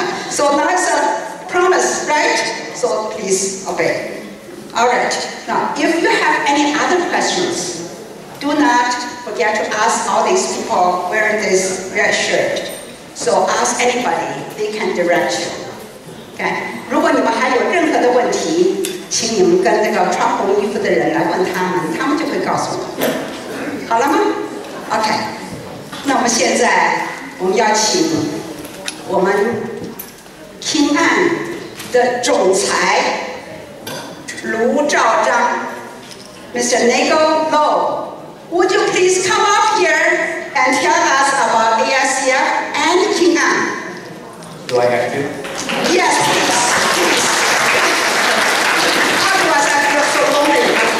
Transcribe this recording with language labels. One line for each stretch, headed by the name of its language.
English: So now it's a promise, right? So please obey. All right, now if you have any other questions, do not forget to ask all these people wearing this red shirt. So ask anybody, they can direct you.
Chinese: 如果你们还有任何的问题，请你们跟那个穿红衣服的人来问他们，他们就会告诉我。好了吗 ？OK。那我们现在我们要请我们平安的总裁卢兆章 ，Mr.
English: Nigel Low， Would you please come up here and tell us about ASCF and 平安？Do I have to? Yes, please. Otherwise, I feel so lonely.